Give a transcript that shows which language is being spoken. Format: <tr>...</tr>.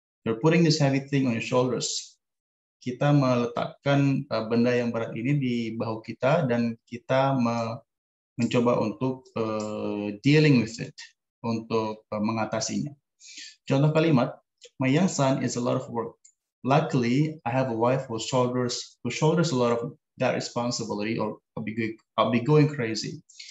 <en>You're putting this heavy thing on your shoulders.</en> <id>Kita meletakkan benda yang berat ini di bahu kita dan kita mencoba untuk</id> <en>dealing with it,</en> <id>untuk mengatasinya. Contoh kalimat,</id> <en>my young son is a lot of work. Luckily, I have a wife who shoulders a lot of that responsibility or I'll be going crazy.</en>